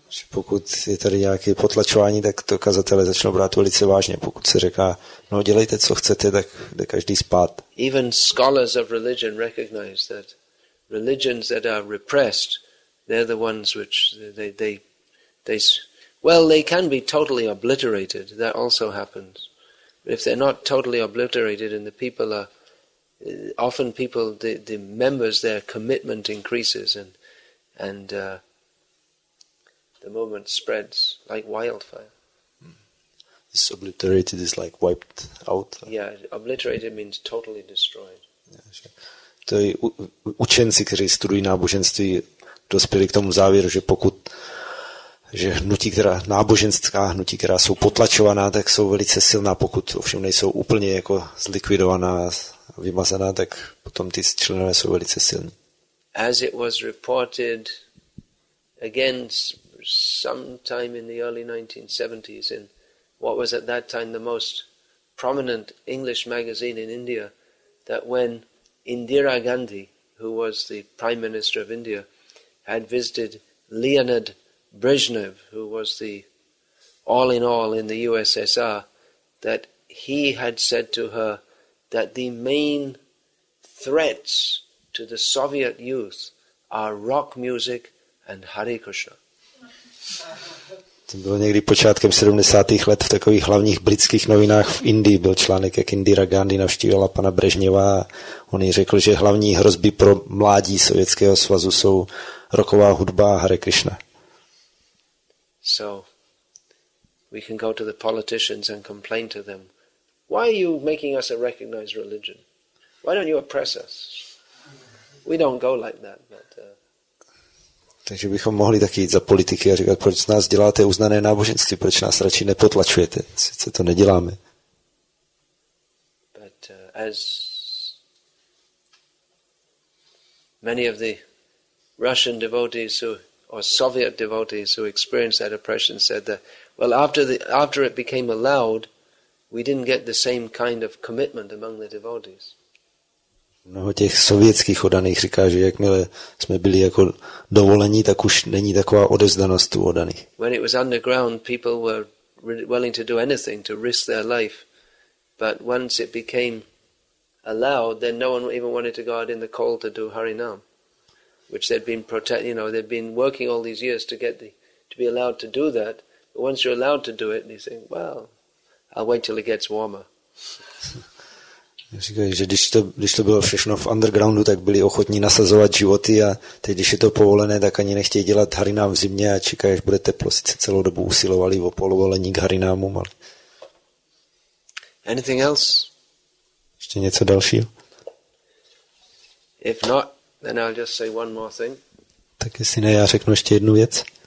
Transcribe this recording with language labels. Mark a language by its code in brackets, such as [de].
[cs] Pokud je tady nějaké potlačování, tak to kazatelé začnou brát velice vážně. Pokud se říká, no dělejte, co chcete, tak jde každý spát. [en] Even scholars of religion recognize that religions that are repressed, they're the ones which they well, they can be totally obliterated. That also happens. But if they're not totally obliterated and the people are, often people, the members, their commitment increases and the movement spreads like wildfire. This obliterated is like wiped out. Yeah, obliterated means totally destroyed. [cs] To je učenci, kteří studují náboženství, dospěli k tomu závěru, že pokud že hnutí, která náboženská hnutí, která jsou potlačovaná, tak jsou velice silná, pokud ovšem nejsou úplně jako zlikvidovaná, vymazaná, tak potom ty členové jsou velice silní. [en] As it was reported again sometime in the early 1970s in what was at that time the most prominent English magazine in India, that when Indira Gandhi, who was the Prime Minister of India, had visited Leonid Brezhnev, who was the all-in-all in the USSR, that he had said to her that the main threats to the Soviet youth are rock music and Hare Krishna. [cs] To bylo někdy počátkem 70. let v takových hlavních britských novinách v Indii. Byl článek, jak Indira Gandhi navštívila pana Brežněva a on jí řekl, že hlavní hrozby pro mládí Sovětského svazu jsou rocková hudba a Hare Krishna. [en] So we can go to the politicians and complain to them. Why are you making us a recognized religion? Why don't you oppress us? We don't go like that, but [cs] takže bychom mohli taky jít za politiky a říkat, proč nás děláte uznané náboženství, proč nás radši nepotlačujete, sice to neděláme. [en] But as many of the Russian devotees who or Soviet devotees who experienced that oppression said that, well, after it became allowed, we didn't get the same kind of commitment among the devotees. [cs] Mnoho těch sovětských odaných říká, že jakmile jsme byli jako dovolení, tak už není taková odevzdanost u odaných. [en] When it was underground, people were willing to do anything to risk their life, but once it became allowed, then no one even wanted to go out in the cold to do Harinam, which they'd been protecting, you know, they'd been working all these years to get the, to be allowed to do that. But once you're allowed to do it, you think, well, I'll wait till it gets warmer. [cs] Říkají, že když to bylo všechno v undergroundu, tak byli ochotní nasazovat životy a teď, když je to povolené, tak ani nechtějí dělat harinám v zimě a čekají, až bude teplo. Sice celou dobu usilovali o povolení k harinámům, ale... [en] Anything else? [cs] Ještě něco dalšího? [en] If not, then I'll just say one more thing. [cs] Tak jestli ne, já řeknu ještě jednu věc.